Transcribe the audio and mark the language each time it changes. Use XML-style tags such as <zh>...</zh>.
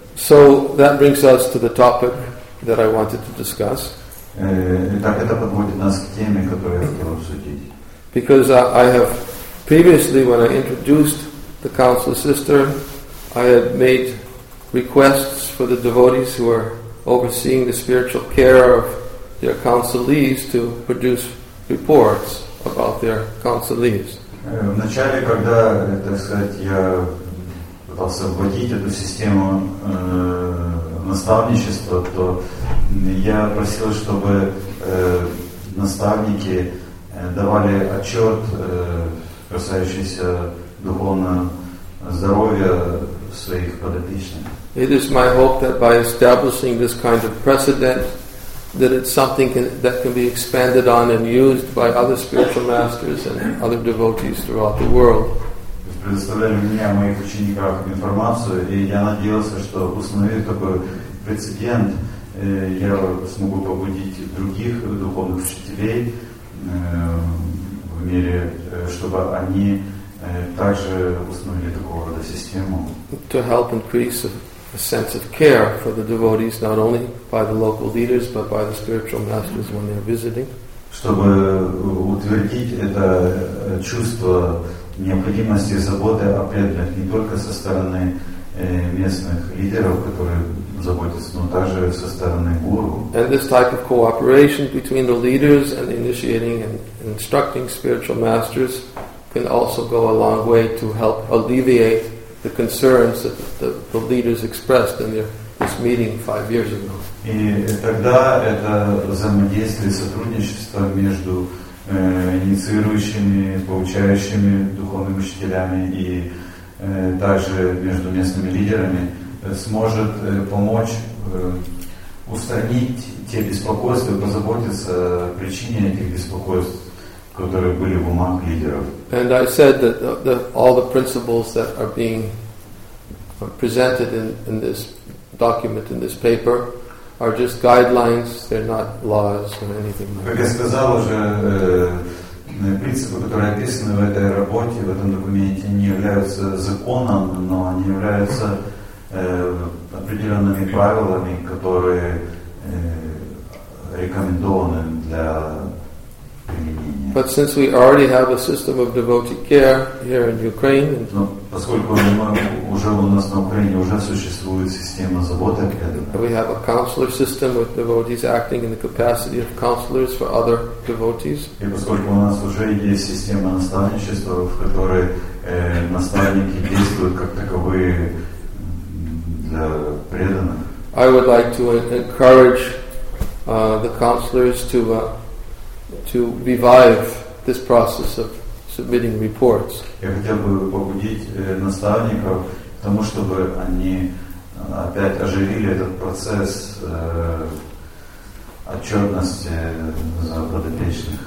<en>So that brings us to the topic that I wanted to discuss.</en> <ru>Так это подводит нас к теме, которую я хотел обсудить.</ru> <en>Because I have previously, when I introduced the counselor sister, I had made requests for the devotees who are overseeing the spiritual care of their counselees to produce reports about their counselees.</en> <ru>Вначале, когда, так сказать, я пытался вводить эту систему наставничества, то я просил, чтобы наставники давали отчет, касающийся духовного здоровья своих подопечных.</ru> <en>It is my hope that by establishing this kind of precedent, that it's something that can be expanded on and used by other spiritual masters and other devotees throughout the world.</en> <ru>Предоставляли мне о моих учениках информацию, и я надеялся, что установив такой прецедент, я смогу побудить других духовных учителей в мире, чтобы они также установили такого рода систему.</ru> <en>To help increase a sense of care for the devotees, not only by the local leaders, but by the spiritual masters when they are visiting.</en> <ru>Чтобы утвердить это чувство необходимости заботы о преданных не только со стороны местных лидеров, которые заботятся, но также со стороны гуру.</ru> <en>And this type of cooperation between the leaders and the initiating and instructing spiritual masters can also go a long way to help alleviate the concerns that the leaders expressed in this meeting 5 years ago.</en> <ru>И тогда это взаимодействие, сотрудничество между инициирующими, получающими духовными учителями и также между местными лидерами сможет помочь устранить те беспокойства и позаботиться о причине этих беспокойств, которые были в умах лидеров.</ru> <en>And I said that all the principles that are being presented in this document, in this paper, are just guidelines, they're not laws or anything like that.</en> <ru>Как я сказал уже, принципы, которые описаны в этой работе, в этом документе, не являются законом, но они являются определенными правилами, которые рекомендованы для применения.</ru> <en>But since we already have a system of devotee care here in Ukraine, and we have a counselor system with devotees acting in the capacity of counselors for other devotees, I would like to encourage the counselors to revive this process of submitting reports.</en> <ru>Я хотел бы побудить наставников к тому, чтобы они опять оживили этот процесс отчетности за подопечных.</ru>